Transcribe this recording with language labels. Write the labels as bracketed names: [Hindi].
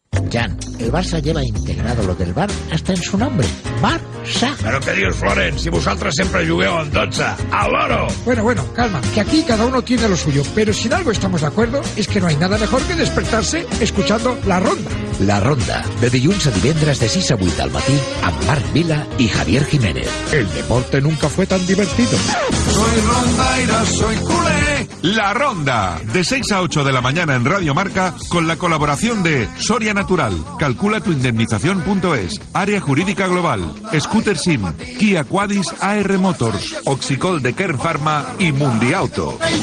[Spanish] Jan, el Barça lleva integrado lo del bar hasta en su nombre. Barça. [Catalan] Però què dius, Florent, si vosaltres sempre jugueu en 12. A l'oro. [Spanish] Bueno, calma, que aquí cada uno tiene lo suyo. Pero si en algo estamos de acuerdo, es que no hay nada mejor que despertarse escuchando La Ronda. [Catalan] La Ronda, de dilluns a divendres de 6 a 8 del matí, amb Marc Vila i Javier Jiménez. [Spanish] El deporte nunca fue tan divertido. Soy rondaira, soy culé. La Ronda, de 6 a 8 de la mañana en Radio Marca, con la colaboración de Soria Natural, calculatuindemnización.es, Área Jurídica Global, Scooter Sim, Kia Quadis AR Motors, Oxicol de Kern Pharma y Mundiauto.